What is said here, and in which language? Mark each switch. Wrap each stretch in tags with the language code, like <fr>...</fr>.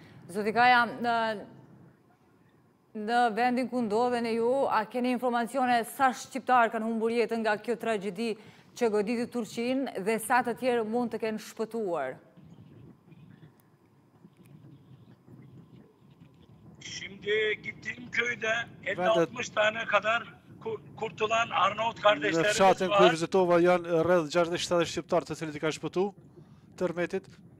<sq>Zoti Kaja, në vendin ku ndodhen e ju, a keni informacione sa shqiptarë kanë humbur jetën nga kjo tragjedi që goditi Turqinë dhe sa të tjerë mund të kenë shpëtuar?</sq> <tr>Shimdi gittim köyde 50-60 tane kadar kurtulan Arnavut kardeşlerimiz var.</tr> <sq>Në fshatin ku vizitova janë rreth 60-70 shqiptarë të cilët i kanë shpëtu tërmetit.</sq>